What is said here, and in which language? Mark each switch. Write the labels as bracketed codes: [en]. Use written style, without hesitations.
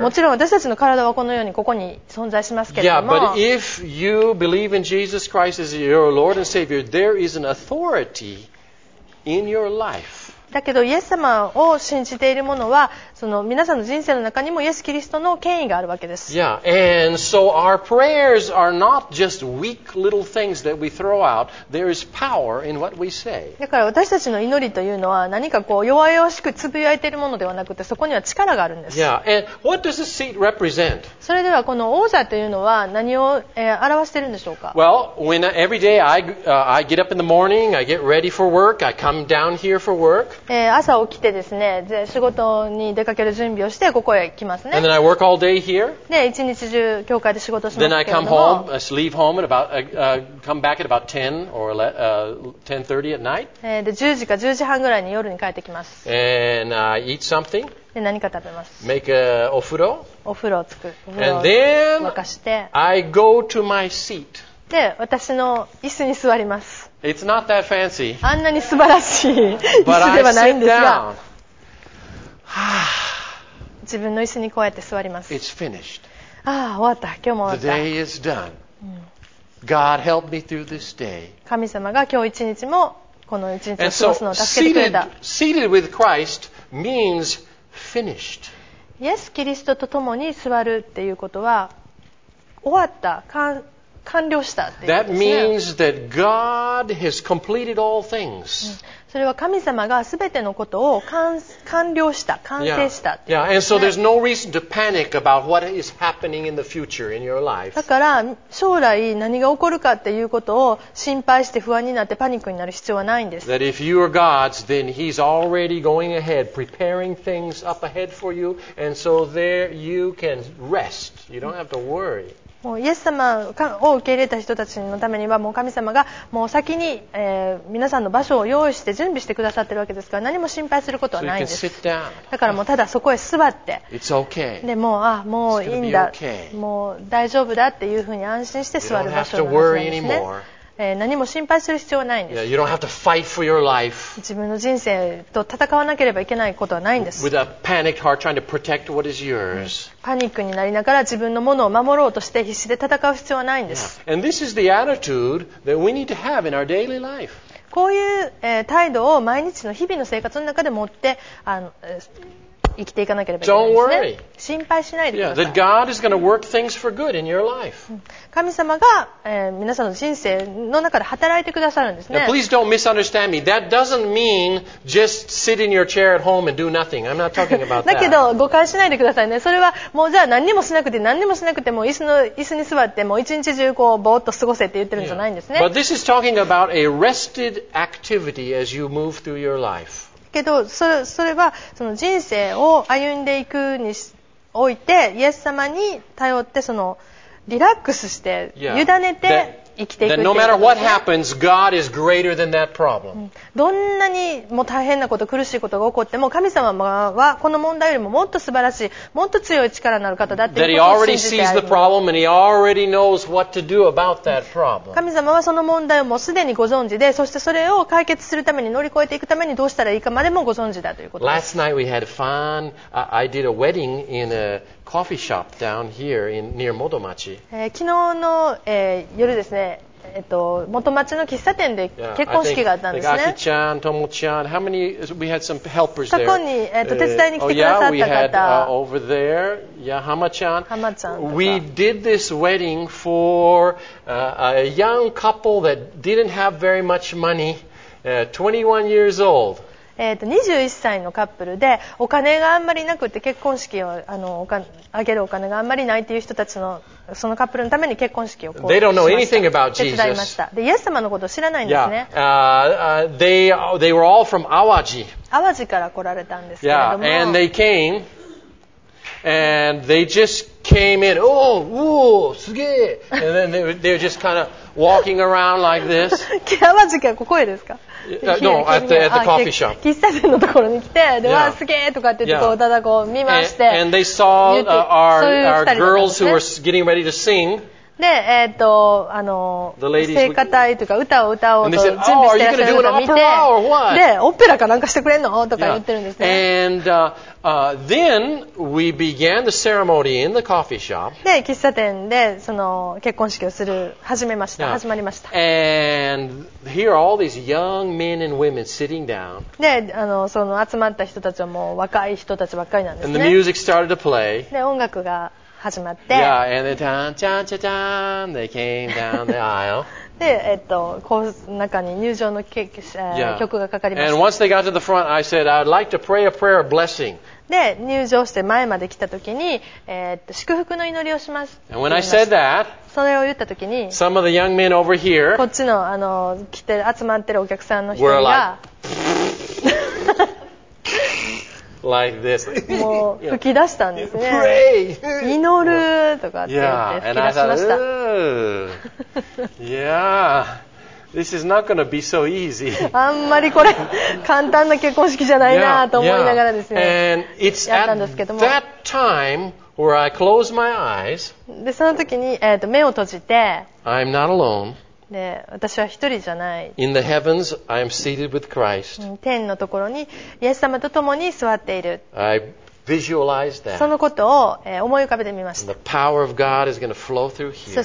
[ja] もちろん私たちの体はこのようにここに存在しますけれども。 [en] Yeah. But if you believe in Jesus Christ as your Lord and Savior, there is an authority. In your life. [ja] だけどイエス様を信じている者はその皆さんの人生の中にもイエス・キリストの権威があるわけです。 [en] Yeah. And so our prayers are not just weak little things that we throw out. There is power in what we say. [ja] だから私たちの祈りというのは何かこう弱々しくつぶやいているものではなくてそこには力があるんです。 [en] Yeah. And what does the seat represent? [ja] それではこの王座というのは何を表しているんでしょうか? [en] Well, when every day I get up in the morning, I get ready for work, I come down here for work. [ja] 朝起きてですね、仕事に出かける準備をしてここへ来ますね。 [en] And then I work all day here. [ja] で、一日中教会で仕事しますけれども。 [en] Then I come home, I leave home at about, come back at about 10 or 10:30 at night. [ja] で、10時か10時半ぐらいに夜に帰ってきます。 [en] And I eat something. [ja] で、何か食べます。 [en] Make a, お風呂。 [ja] お風呂をつく。 [en] And then [ja] 沸かして。 [en] I go to my seat. [ja] で、私の椅子に座ります。 [en] It's not that fancy. [ja] あんなに素晴らしい椅子ではないんですが、自分の椅子にこうやって座ります。 [en] It's finished. [ja] ああ、終わった。今日も終わった。 [en] The day is done. God helped me through this day. [ja] 神様が今日一日もこの一日を過ごすのを助けてくれた。 [en] And so seated with Christ means finished. [ja] イエス・キリストと共に座るっていうことは終わった。完了したっていうことですね。 [en] That means that God has completed all things. [ja] それは神様がすべてのことを完了した、完成したっていうことですね。 [en] Yeah, and so there's no reason to panic about what is happening in the future in your life. [ja] だから将来何が起こるかっていうことを心配して不安になってパニックになる必要はないんです。 [en] That if you are God's, then He's already going ahead, preparing things up ahead for you, and so there you can rest. You don't have to worry. [ja] もうイエス様を受け入れた人たちのためにはもう神様がもう先に皆さんの場所を用意して準備してくださっているわけですから何も心配することはないんです。だからもうただそこへ座ってでもうもういいんだもう大丈夫だっていうふうに安心して座る場所なんですね。何も心配する必要はないんです。 [en] Yeah, you don't have to fight for your life. [ja] 自分の人生と戦わなければいけないことはないんです。 [en] With a panicked heart trying to protect what is yours. [ja] パニックになりながら自分のものを守ろうとして必死で戦う必要はないんです。 [en] Yeah. And this is the attitude that we need to have in our daily life. [ja] こういう、態度を毎日の日々の生活の中で持って生きていかなければいけないんですね。 [en] Don't worry. [ja] 心配しないでください。 [en] Yeah, that God is going to work things for good in your life. [ja] 神様が、皆さんの人生の中で働いてくださるんですね。 [en] Now, please don't misunderstand me. That doesn't mean just sit in your chair at home and do nothing. I'm not talking about that. [ja] だけど誤解しないでくださいね。それはもうじゃあ何にもしなくてもう椅子に座ってもう一日中こうぼーっと過ごせって言ってるんじゃないんですね。 [en] Yeah. But this is talking about a rested activity as you move through your life. [ja] けど それはその人生を歩んでいくにおいてイエス様に頼ってそのリラックスして委ねて生きていくということ、 [en] no matter what happens, God is greater than that problem. [ja] どんなにも大変なこと、苦しいことが起こっても、神様はこの問題よりももっと素晴らしい、もっと強い力のある方だということを信じて、 [en] that he already sees the problem and he already knows what to do about that problem. [ja] 神様はその問題をもうすでにご存知で、そしてそれを解決するために、乗り越えていくためにどうしたらいいかまでもご存知だということです。 [en] Last night we had fun. I did a wedding in a coffee shop down here in near Motomachi. [ja] 昨日の、夜ですね、元町の喫茶店で結婚式があったんですね。 [en] Yeah, Aki-chan, Tomo-chan, how many? We had some helpers there. [ja] 過去に、手伝いに来てくださった方。 [en] Oh yeah, we had over there. Yeah, Hama-chan. Hama-chan. We did this wedding for a young couple that didn't have very much money. 21 years old. [ja] 21歳のカップルでお金があんまりなくて結婚式をあげるお金があんまりないという人たちのそのカップルのために結婚式をこう [en] They don't know anything about Jesus. [ja] 手伝いました。で、イエス様のことを知らないんですね。 [en] Yeah. They were all from Awaji. [ja] 淡路から来られたんですけれども。 [en] Yeah. And they came and they just came in. Oh, whoa, [ja] すげえ。 [en] And then they're just kind of walking around like this. [ja] 淡路からここへですか？ [en] No, at the coffee shop. [ja] 喫茶店のところに来て、で、わ、すげーとかって言って、ただこう見まして。 [en] And they saw our girls who were getting ready to sing. [ja] で、 [en] The ladies would... [ja] 聖歌隊というか歌を歌おうと準備してらっしゃるのを見て。 [en] And they said, oh, are you going to do an opera or what? [ja] で、オペラかなんかしてくれんの？とか言ってるんですね。 [en] Yeah. And, then we began the ceremony in the coffee shop. [ja] で、喫茶店でその結婚式をする、始まりました。 [en] And here are all these young men and women sitting down. [ja] で、その集まった人たちはもう若い人たちばっかりなんですね。 [en] And the music started to play. [ja] で、音楽が始まって。 [en] Yeah, and they tan, tan, tan, tan, they came down the aisle. [ja] で、こう中に入場の曲がかかりました。 [en] And once they got to the front, I said, I'd like to pray a prayer of blessing. [ja] で入場して前まで来た時に、祝福の祈りをしますし。 [en] And when I said that, [ja] それを言った時に、 [en] some of the young men over here, [ja] こっちの来て集まってるお客さんの人が、 [en] like, like this, [ja] もう吹き出したんですね。 [en] Pray, [ja] 祈るとかって言って吹き出しました。 [en] Yeah. This is not going to be so easy. [ja] あんまりこれ簡単な結婚式じゃないなと思いながらですね。 [en] And it's [ja] やったんですけども。 [en] At that time where I close my eyes, [ja] でその時に、目を閉じて、 [en] I'm not alone. [ja] で私は一人じゃない。 [en] In the heavens, I am seated with Christ. [ja] 天のところにイエス様と共に座っている。 [en] I visualize that. [ja] そのことを、思い浮かべてみました。 [en] And the power of God is going to flow through here.